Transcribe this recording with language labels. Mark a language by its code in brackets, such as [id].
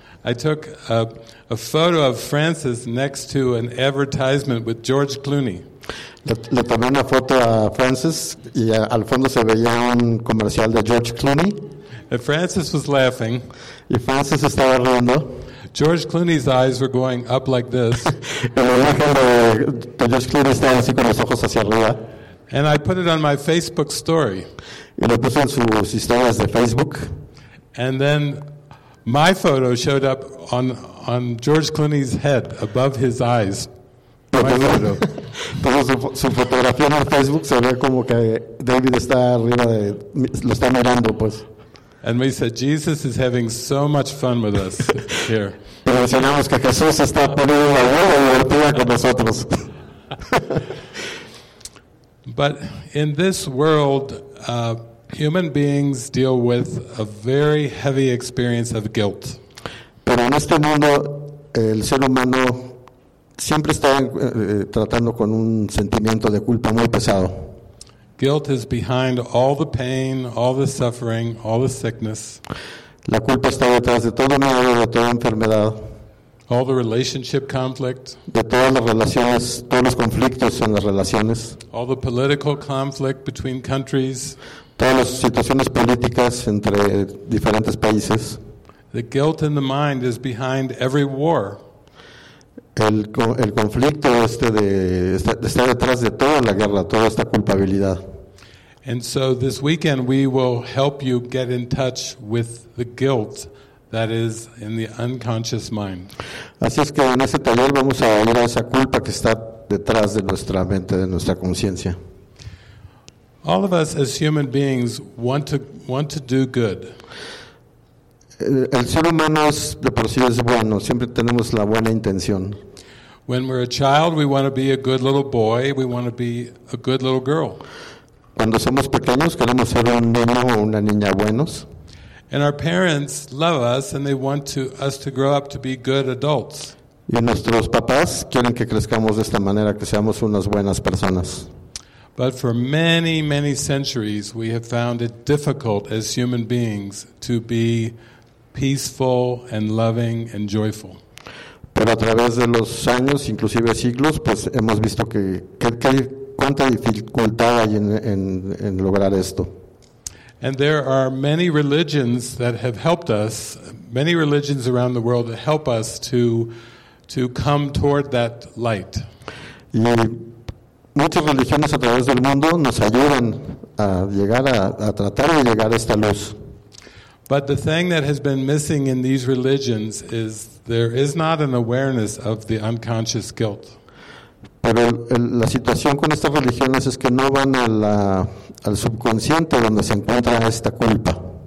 [en] I took a photo of Frances next to an advertisement with George Clooney. [es] Le tomé una foto a Frances y al fondo se veía un comercial de George Clooney. [en] And Frances was laughing. [es] Y Frances estaba riendo. [en] George Clooney's eyes were going up like this. [es] George Clooney estaba así con los ojos hacia arriba. [en] And I put it on my Facebook story. [es] Y lo puse en sus historias de Facebook. [en] And then my photo showed up on George Clooney's head above his eyes. My photo. [es] Entonces su fotografía en Facebook se ve como que David está arriba de lo está mirando pues. [en] And we said, Jesus is having so much fun with us here. [es] Pero decíamos que Jesús está poniendo la vida divertida con nosotros. [en] But in this world, human beings deal with a very heavy experience of guilt. [es] Pero en este mundo, el ser humano siempre está tratando con un sentimiento de culpa muy pesado. [en] Guilt is behind all the pain, all the suffering, all the sickness. [es] La culpa está detrás de todo miedo, de toda enfermedad. [en] All the relationship conflict. [es] De todas las relaciones, todos los conflictos en las relaciones. [en] All the political conflict between countries. [es] Todas las situaciones políticas entre diferentes países. [en] The guilt in the mind is behind every war. [es] El conflicto está detrás de toda la guerra, toda esta culpabilidad. [en] And so this weekend we will help you get in touch with the guilt that is in the unconscious mind. [es] Así es que en este taller vamos a ver esa culpa que está detrás de nuestra mente, de nuestra conciencia. [en] All of us as human beings want to do good. [es] El ser humano es de por sí es bueno, siempre tenemos la buena intención. [en] When we're a child, we want to be a good little boy, we want to be a good little girl. [es] Cuando somos pequeños queremos ser un niño o una niña buenos. [en] And our parents love us and they want us to grow up to be good adults. [es] Y nuestros papás quieren que crezcamos de esta manera, que seamos unas buenas personas. [en] But for many, many centuries we have found it difficult as human beings to be peaceful and loving and joyful. [es] Pero a través de los años, inclusive siglos, pues hemos visto que hay cuánta dificultad hay en lograr esto. [en] And there are many religions that have helped us, many religions around the world that help us to come toward that light. [es] Y muchas religiones a través del mundo nos ayudan a llegar a tratar de llegar a esta luz. [en] But the thing that has been missing in these religions is there is not an awareness of the unconscious guilt. [es] Pero la situación con estas religiones es que no van al subconsciente donde se encuentra esta culpa.